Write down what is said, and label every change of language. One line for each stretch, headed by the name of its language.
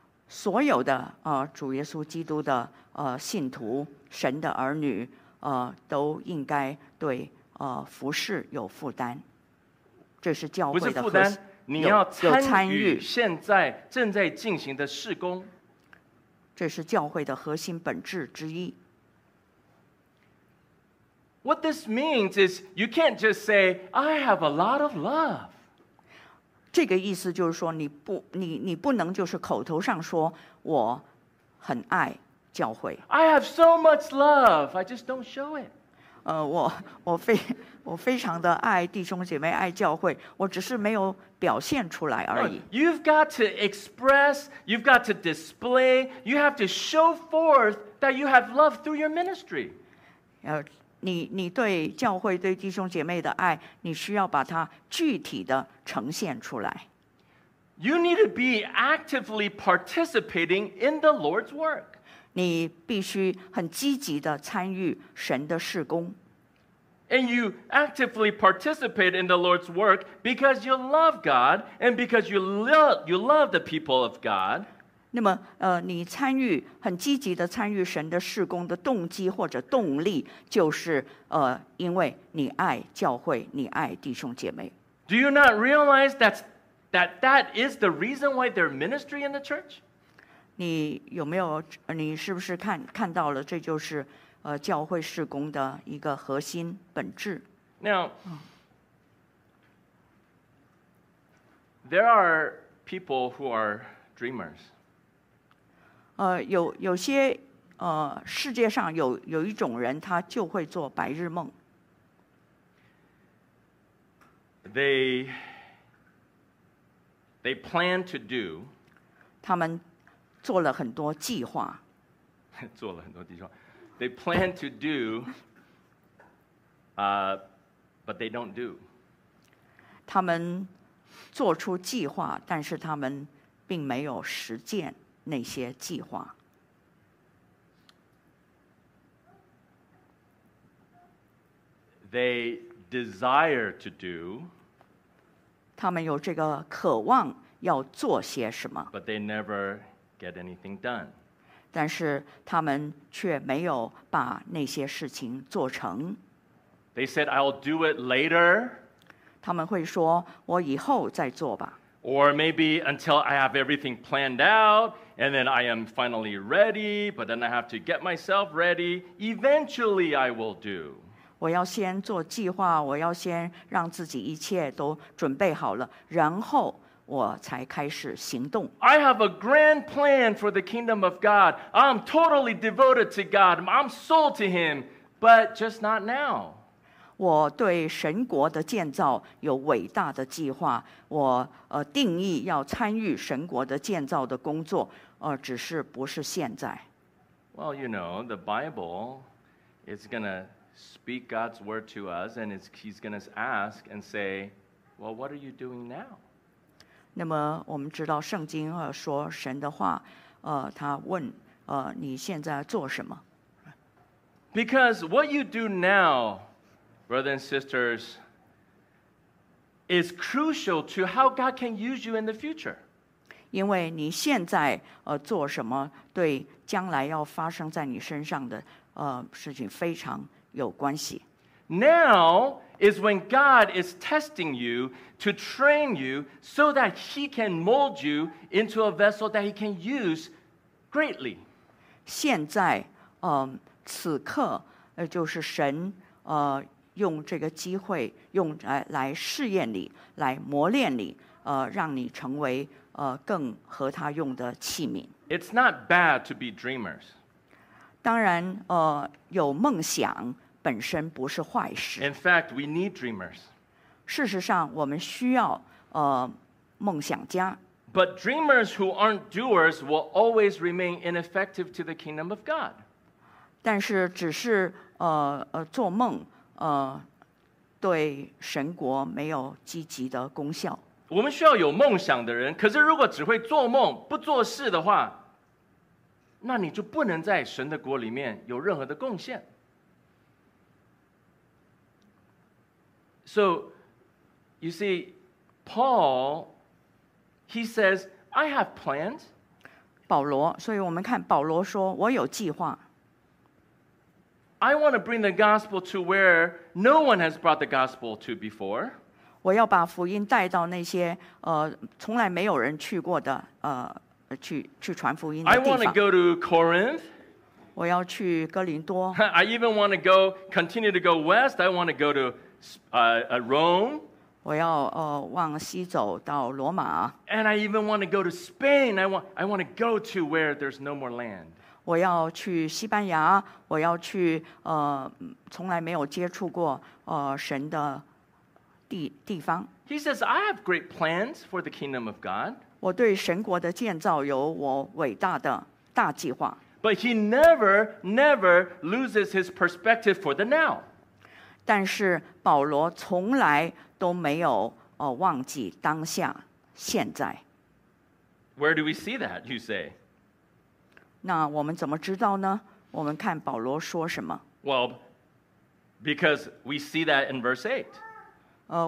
Chinese: 所有的主耶稣基督的信徒神的儿女都应该对服事有负担。这是教会的核心。不是负担，你要参与现在正在进行的事工。这是教会的核心本质之一。
English: What this means is you can't just say, I have a lot of love.
Chinese: 这个意思就是说你不能就是口头上说我很爱教会。
English: I have so much love, I just don't show it.
Chinese: 我非常的爱弟兄姐妹爱教会我只是没有表现出来而已。
English: No, you've got to express, you've got to display, you have to show forth that you have love through your ministry.
Chinese: 你对教会对弟兄姐妹的爱你需要把它具体的呈现出来。
English: You need to be actively participating in the Lord's work.
Chinese: 你必须很积极的参与神的事工。
English: And you actively participate in the Lord's work because you love God and because you love the people of God.
Chinese: 那么你参与很积极的参与神的事工的动机或者动力就是因为你爱教会你爱弟兄姐妹。
English: Do you not realize that is the reason why they're ministry in the church?
Chinese: 你有没有你是不是看到了这就是教会事工的一个核心本质。
English: Now, there are people who are dreamers.
Chinese: 有些世界上有一种人，他就会做白日梦。
English: They plan to do.
Chinese: 他们做了很多计划。做了很多计划。
English: They plan to do, but they don't do.
Chinese: 他们做出计划，但是他们并没有实践那些计划。
English: They desire to do.
Chinese: 他们有这个渴望要做些什么。
English: But they never get anything done.
Chinese: 但是他们却没有把那些事情做成。
English: They said, I'll do it later.
Chinese: 他们会说，我以后再做吧。
English: Or maybe until I have everything planned out, and then I am finally ready, but then I have to get myself ready. Eventually I will do.
Chinese: 我要先做计划，我要先让自己一切都准备好了，然后我才开始行动。
English: I have a grand plan for the kingdom of God. I'm totally devoted to God. I'm sold to Him, but just not now.
Chinese: 我对神国的建造有伟大的计划。我定义要参与神国的建造的工作，只是不是现在。
English: Well, you know, the Bible is going to speak God's word to us, and He's going to ask and say, "Well, what are you doing now?"
Chinese: 那么我们知道圣经说神的话他问你现在做什么
English: Because what you do now, brothers and sisters, is crucial to how God can use you in the future.
Chinese: 因为你现在做什么对将来要发生在你身上的事情非常有关系。
English: Now is when God is testing you to train you so that He can mold you into a vessel that He can use greatly.
Chinese: 现在此刻就是神用这个机会用来试验你来磨练你让你成为更合他用的器皿。
English: It's not bad to be dreamers.
Chinese: 当然有梦想本身不是坏事。
English: In fact, we need dreamers.
Chinese: 事实上，我们需要梦想家。
English: But dreamers who aren't doers will always remain ineffective to the kingdom of God.
Chinese: 但是只是做梦对神国没有积极的功效。我们需要有梦想的人，可是如果只会做梦不做事的话，那你就不能在神的国里面有任何的贡献。
English: So, you see, Paul, he says, I have plans.
Chinese: 保罗，所以我们看保罗说，我有计划。
English: I want to bring the gospel to where no one has brought the gospel to before.
Chinese: 我要把福音带到那些从来没有人去过的去传福音的地方。
English: I want to go to Corinth.
Chinese: 我要去哥林多。
English: I even want to go, continue to go west. I want to go to Rome.
Chinese: 我要往西走到罗马。
English: And I even want to go to Spain. I want to go to where there's no more land.
Chinese: 我要去西班牙，我要去从来没有接触过神的地方。
English: He says, I have great plans for the kingdom of God.
Chinese: 我对神国的建造有我伟大的大计划。
English: But he never loses his perspective for the now.
Chinese: 但是保罗从来都没有忘记当下，现在。
English: Where do we see that, you say?
Chinese: 那我们怎么知道呢？我们看保罗说什么。
English: Well, because we see that in verse 8.